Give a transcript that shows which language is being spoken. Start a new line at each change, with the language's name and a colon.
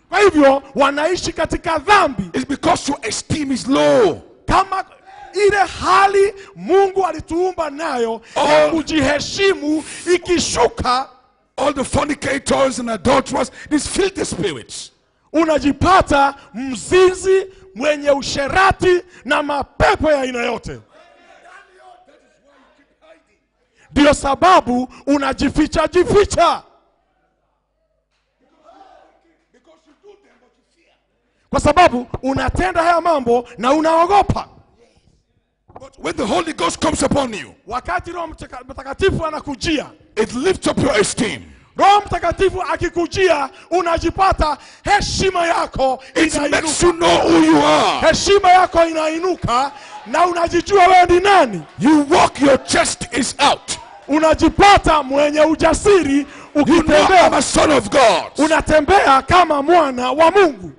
Swahili: kwa hivyo wanaishi katika dhambi,
English: is because your esteem is low.
Swahili: Kama ile hali Mungu alituumba nayo, kujiheshimu ikishuka.
English: All the fornicators and adulterers, these filthy spirits.
Swahili: Unajipata mzinzi, mwenye usherati na mapepo ya aina yote. Ndio sababu unajificha jificha. Kwa sababu unatenda haya mambo na unaogopa.
English: But when the Holy Ghost comes upon you,
Swahili: wakati Roho Mtakatifu anakujia,
English: it lifts up your esteem.
Swahili: Roho Mtakatifu akikujia, unajipata heshima yako inainuka.
English: It makes you know who you are.
Swahili: Heshima yako inainuka na unajijua wewe ni nani.
English: You walk, your chest is out.
Swahili: Unajipata mwenye ujasiri ukitembea.
English: You know, I'm a son of God.
Swahili: Unatembea kama mwana wa Mungu.